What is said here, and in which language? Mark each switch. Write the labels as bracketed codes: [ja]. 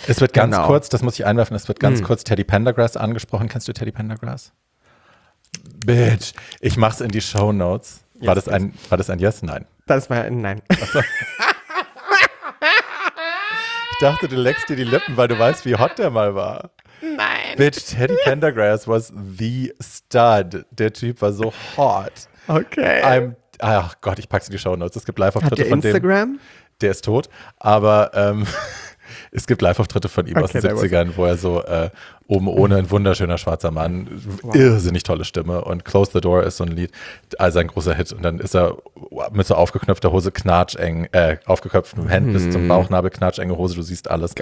[de] Es wird ganz kurz, das muss ich einwerfen, es wird ganz kurz Teddy Pendergrass angesprochen. Kennst du Teddy Pendergrass? Bitch, ich mach's in die Shownotes. Yes, war das ein Yes? Nein. Das war ein Nein. Also, ich dachte, du leckst dir die Lippen, weil du weißt, wie hot der mal war. Nein. [en] Bitch, Teddy Pendergrass was the stud. [de] Der Typ war so hot. Okay. Ach Gott, ich pack's in die Shownotes. Es gibt Live-Auftritte von dem. Instagram? Der ist tot, aber es gibt Live-Auftritte von ihm aus den 70ern, wo er so oben ohne ein wunderschöner schwarzer Mann, irrsinnig tolle Stimme und Close the Door ist so ein Lied, also ein großer Hit. Und dann ist er mit so aufgeknöpfter Hose, aufgeknöpftem Hemd bis zum Bauchnabel, knatschenge Hose, du siehst alles.